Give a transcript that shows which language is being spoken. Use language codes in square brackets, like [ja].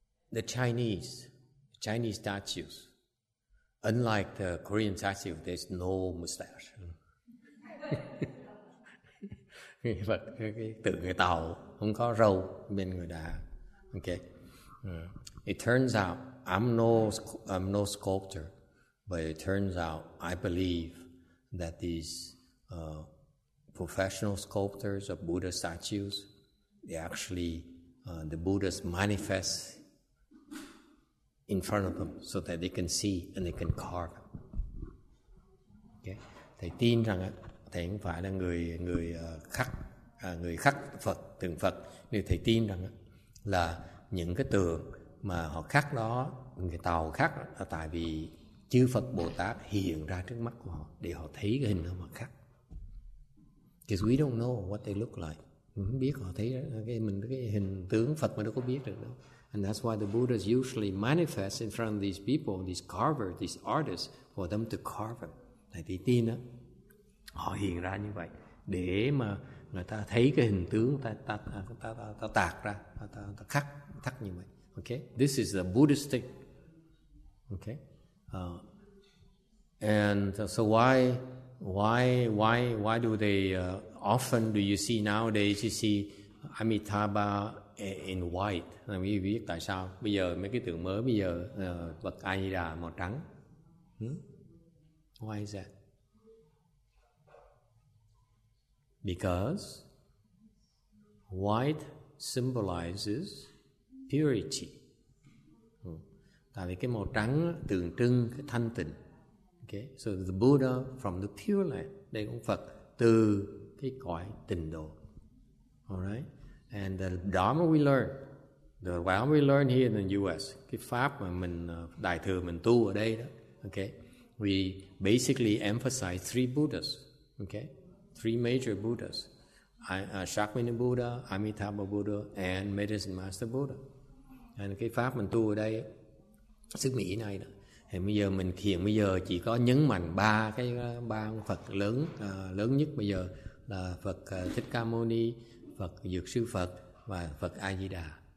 [en] The Chinese statues, unlike the Korean statues, there's no mustache. [vi] Phật cái tự người tàu không có râu bên người đà. [en] Okay. It turns out I'm no sculptor, but it turns out I believe that these professional sculptors of Buddha statues, they actually the Buddha's manifest in front of them so that they can see and they can carve. Okay. [vi] Thầy tin rằng thầy không phải là người khắc Phật, tượng Phật, nhưng thầy tin rằng là những cái tượng mà họ khắc đó, người tàu khắc là tại vì chư Phật Bồ Tát hiện ra trước mắt của họ để họ thấy cái hình đó mà khắc. [en] Because we don't know what they look like. [vi] Mình không biết họ thấy cái hình tướng Phật mà đâu có biết được đâu. [en] And that's why the Buddha usually manifests in front of these people, these carvers, these artists, for them to carve them. [vi] Thầy thì tin đó, họ hiện ra như vậy để mà người ta thấy cái hình tướng ta tạc ra, ta khắc thắc như vậy. [en] Okay, this is the Buddhist thing. Okay, and so why do they often do you see nowadays you see Amitabha in white? [vi] Làm gì biết tại sao bây giờ mấy cái tượng mới bây giờ Phật A Di Đà màu trắng? [en] Why is that? Because white symbolizes purity. [vi] Tại vì cái màu trắng tượng trưng cái thanh tịnh. [en] Okay, so the Buddha from the pure land, [vi] đây cũng Phật từ cái cõi tịnh độ. [en] Alright, and the Dharma we learn, the way we learn here in the U.S. [vi] cái pháp mà mình đại thừa mình tu ở đây đó. [en] Okay, we basically emphasize three Buddhas. Okay, three major Buddhas: Shakyamuni Buddha, Amitabha Buddha, and Medicine Master Buddha. [vi] And cái pháp mình tu ở đây, sức Mỹ này đó, thì bây giờ mình hiện bây giờ chỉ có nhấn mạnh ba Phật lớn lớn nhất bây giờ là Phật Thích Ca Mâu Ni, Phật Dược Sư Phật và Phật A Di Đà.